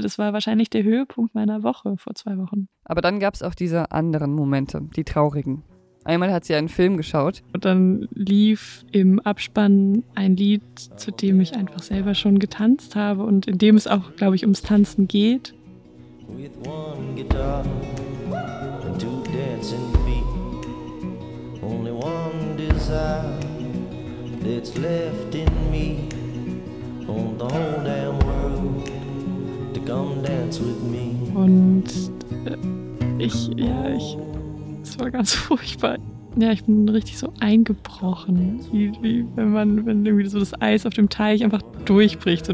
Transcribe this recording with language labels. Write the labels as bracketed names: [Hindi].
[German] Das war wahrscheinlich der Höhepunkt meiner Woche vor 2 Wochen. Aber dann gab es auch diese anderen Momente, die traurigen. Einmal hat sie einen Film geschaut. Und dann lief im Abspann ein Lied, zu dem ich einfach selber schon getanzt habe und in dem es auch, glaube ich, ums Tanzen geht. [English] With one guitar and 2 dancing feet. Only one desire that's left in me. On the whole damn world to come dance with me. [German] Und es war ganz furchtbar. Ja, ich bin richtig so eingebrochen. Wie wenn irgendwie so das Eis auf dem Teich einfach durchbricht.